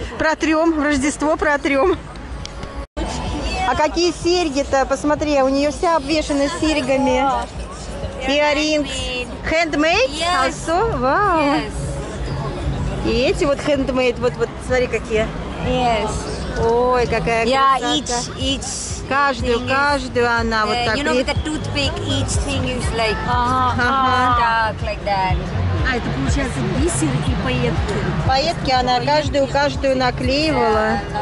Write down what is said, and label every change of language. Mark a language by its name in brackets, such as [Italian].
[Russian] Протрем, в Рождество протрем. А какие серьги-то, посмотри, у нее вся обвешана серьгами. [English] Earrings. Handmade? Yes. [Russian] Вау. И эти вот handmade, вот смотри, какие. [English] Yes. [Russian] Ой, какая красота. [English] Yeah, each [Russian] каждую, каждую она вот так. [English] You know, with a toothpick, each thing is like dark, like that. [Russian] А, это получается бисер и пайетки. Пайетки она каждую наклеивала.